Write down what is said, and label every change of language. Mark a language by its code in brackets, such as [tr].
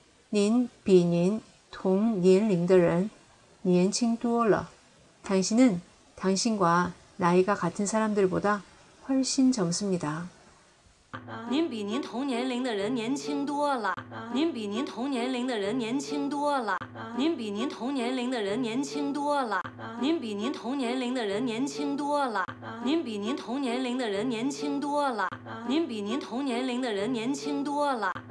[zh] 您比您同年龄的人年轻多了。 [ko] 당신은 당신과 나이가 같은 사람들보다 훨씬 젊습니다. [zh] 您比您同年龄的人年轻多了。您比您同年龄的人年轻多了。您比您同年龄的人年轻多了。您比您同年龄的人年轻多了。您比您同年龄的人年轻多了。您比您同年龄的人年轻多了。